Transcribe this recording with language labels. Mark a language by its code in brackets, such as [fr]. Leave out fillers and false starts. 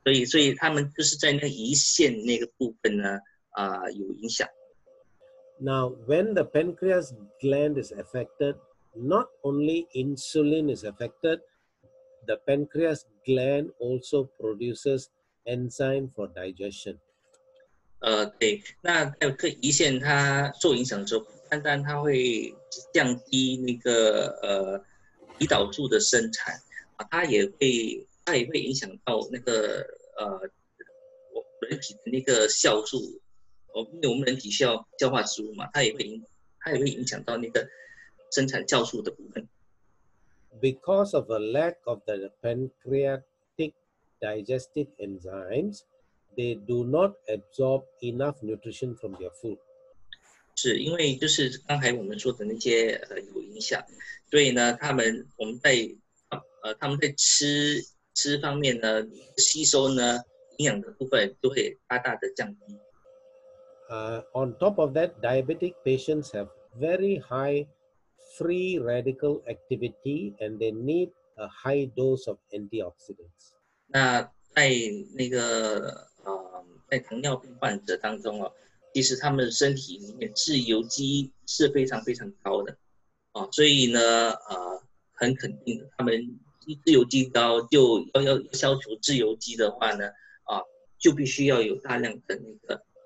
[zh] 所以他们就是在那胰腺那个部分呢有影响。 [en] Now, when the pancreas gland is affected, not only insulin is affected, the pancreas gland also produces enzyme for digestion. [zh] 对，那在这胰腺它受影响的时候，单单它会降低那个胰岛素的生产，它也会影响到那个人体的那个酵素。因为我们人体需要消化食物嘛，它也会影响到那个生产酵素的部分。 [en] Because of a lack of the pancreatic digestive enzymes, they do not absorb enough nutrition from their food. [zh] 是因为就是刚才我们说的那些有影响，所以呢，他们在吃方面呢，吸收呢营养的部分都会大大的降低。 [en] On top of that, diabetic patients have very high free radical activity and they need a high dose of antioxidants. [zh] 那在那个在糖尿病患者当中哦，其实他们身体里面自由基是非常非常高的哦，所以呢很肯定的，他们自由基高就要消除自由基的话呢就必须要有大量的那个。